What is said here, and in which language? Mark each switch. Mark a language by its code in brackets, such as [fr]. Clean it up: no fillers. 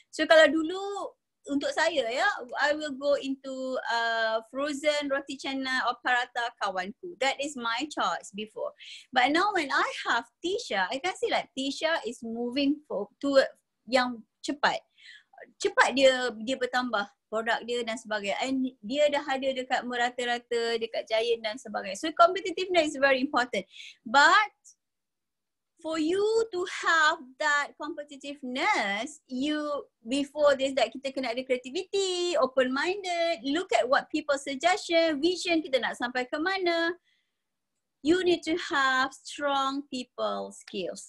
[ms] So, kalau dulu, untuk saya ya, [en] I will go into frozen [ms] roti canai or parata kawanku. [en] That is my choice before. But now when I have Tisha, I can see like Tisha is moving to [ms] yang cepat. Cepat dia bertambah produk dia dan sebagainya. [en] And [ms] dia dah ada dekat merata-rata, dekat giant dan sebagainya. [en] So competitiveness is very important. But for you to have that competitiveness, you before this that [ms] kita kena ada [en] creativity, open minded, look at what people suggestion, vision [ms] kita nak sampai ke mana. [en] You need to have strong people skills.